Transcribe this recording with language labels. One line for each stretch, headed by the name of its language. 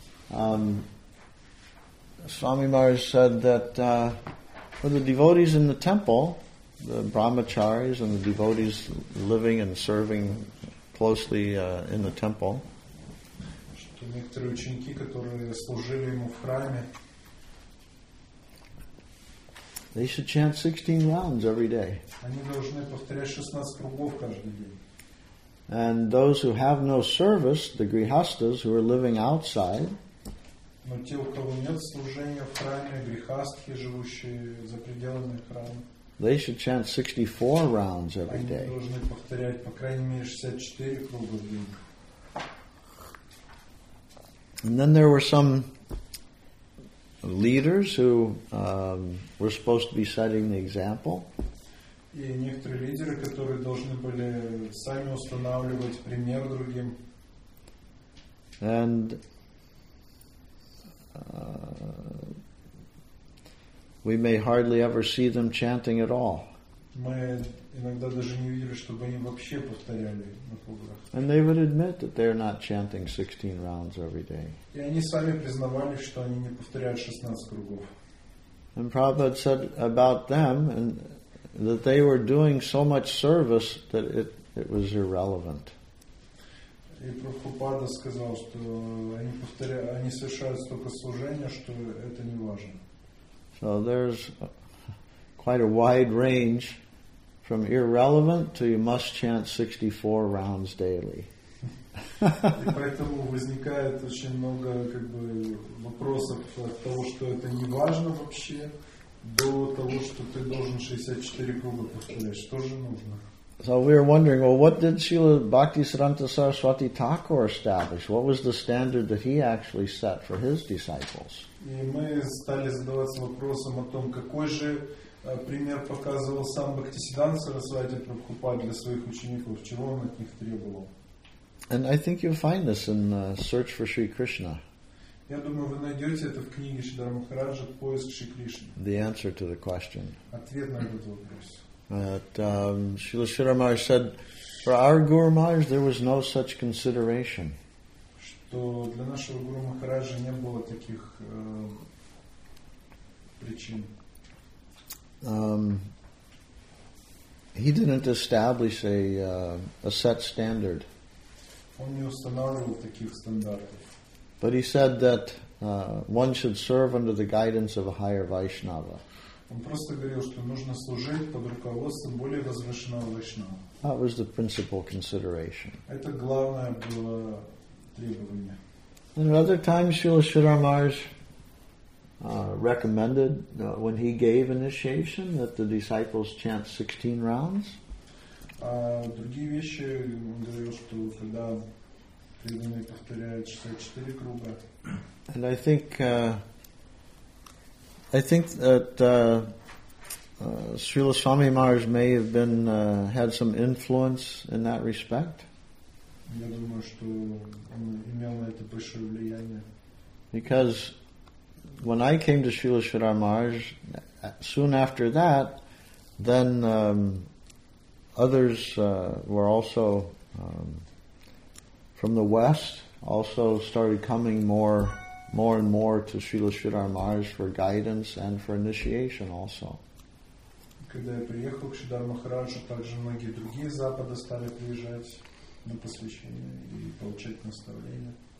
English: Swami Maharaj said that for the devotees in the temple, the brahmacharis and the devotees living and serving closely in the temple,
Russian: некоторые ученики, которые служили ему в храме.
English: They should chant 16 rounds every day.
Russian: Они должны повторять 16 кругов каждый день.
English: And those who have no service, the grihastas who are living outside.
Russian: Но те, у кого нет служения в храме, грихастхи, живущие за пределами храма.
English: They should chant 64 rounds every day.
Russian: Они должны повторять по крайней мере 64 круга в день.
English: And then there were some leaders who were supposed to be setting the example.
Russian: И некоторые лидеры, которые должны были сами устанавливать пример другим.
English: And we may hardly ever see them chanting at all.
Russian: Мы иногда даже не видели, чтобы они вообще повторяли на кубках.
English: And they would admit that they're not chanting 16 rounds every day.
Russian: И они сами признавали, что они не повторяют 16 кругов.
English: And Prabhupada said about them and that they were doing so much service that it was irrelevant.
Russian: И Прабхупада сказал, что они совершают столько служения, что это не важно.
English: So there's quite a wide range. From irrelevant to you must chant 64 rounds daily.
Russian: Поэтому возникает очень много как бы вопросов от того, что это не важно вообще, до того, что ты должен 64 круга повторять. Что же нужно?
English: So we were wondering, well, what did Srila Bhaktisiddhanta Saraswati Thakur establish? What was the standard that he actually set for his disciples?
Russian: И мы стали задаваться вопросом о том, какой же пример показывал сам Бхактисиддханта Сарасвати Прабхупад для своих учеников, чего он от них требовал.
English: And I think you'll find this in Search for Sri Krishna.
Russian: Я думаю, вы найдете это в книге Шридхара Махараджа «Поиск Шри Кришны».
English: The answer to the question.
Russian: Ответ на этот вопрос.
English: But Srila Shridhara Maharaj said, for our Guru Maharaj, there was no such consideration.
Russian: Что для нашего Гуру Махараджа не было таких причин.
English: He didn't establish a set standard.
Russian: Он не устанавливал таких стандартов.
English: But he said that one should serve under the guidance of a higher Vaishnava.
Russian: Он просто говорил, что нужно служить под руководством более возвышенного Вайшнава.
English: That was the principal consideration.
Russian: Это главное было требование.
English: And at other times, Srila Shridhara Maharaj recommended when he gave initiation that the disciples chant 16 rounds.
Russian: Другие вещи он говорил, что когда преданные повторяют 64 круга.
English: And I think I think that Srila Swami Maharaj may have been had some influence in that respect.
Russian: Я думаю, что он имел на это большое влияние.
English: Because when I came to Srila Shridhara Maharaj, soon after that, then others were also from the West, also started coming more and more to Srila Shridhara Maharaj for guidance and for initiation also.
Russian: Когда я приехал к Шридхара Махараджу, также многие другие Запада стали приезжать на посвящение и получать наставления.